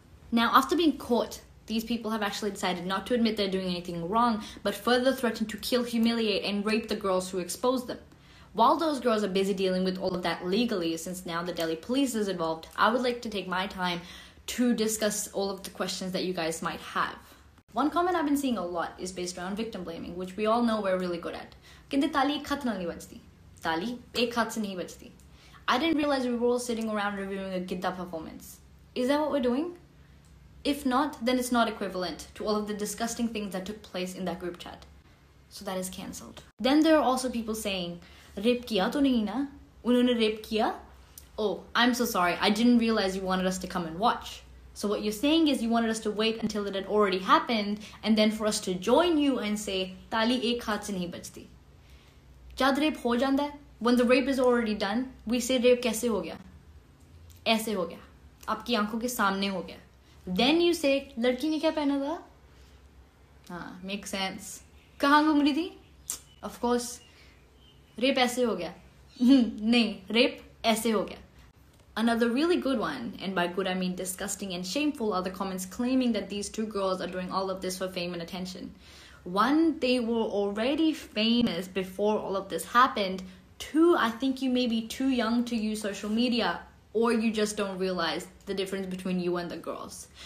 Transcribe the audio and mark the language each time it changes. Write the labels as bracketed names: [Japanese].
[English] Now, after being caught, these people have actually decided not to admit they're doing anything wrong, but further threaten to kill, humiliate, and rape the girls who expose them. While those girls are busy dealing with all of that legally, since now the Delhi police is involved, I would like to take my time to discuss all of the questions that you guys might have. One comment I've been seeing a lot is based around victim blaming, which we all know we're really good at. [Hindi] किंते ताली एक खत नहीं बजती। ताली एक खत से नहीं बजती। [English] I didn't realize we were all sitting around reviewing a gidda performance. Is that what we're doing? If not, then it's not equivalent to all of the disgusting things that took place in that group chat. So that is cancelled. Then there are also people saying, rape [Hindi] किया तो नहीं ना? उन्होंने rape किया? [English] Oh, I'm so sorry. I didn't realize you wanted us to come and watch. So what you're saying is you wanted us to wait until it had already happened and then for us to join you and say, [Hindi] tali ek haath se nahi bajti. जब rape हो जांदा है, [English] when the rape is already done, we say rape [Hindi] कैसे हो गया? ऐसे हो गया। आपकी आँखों के सामने हो गया। [English] Then you say, [Hindi] लड़की ने क्या पहना था? [English] Makes sense. [Hindi] कहाँ घूम रही थी? [English] Of course, [Hindi] rape ऐसे हो गया। नहीं, rape ऐसे हो गया। [English] Another really good one, and by good I mean disgusting and shameful, are the comments claiming that these two girls are doing all of this for fame and attention. One, they were already famous before all of this happened. Two, I think you may be too young to use social media, or you just don't realize the difference between you and the girls.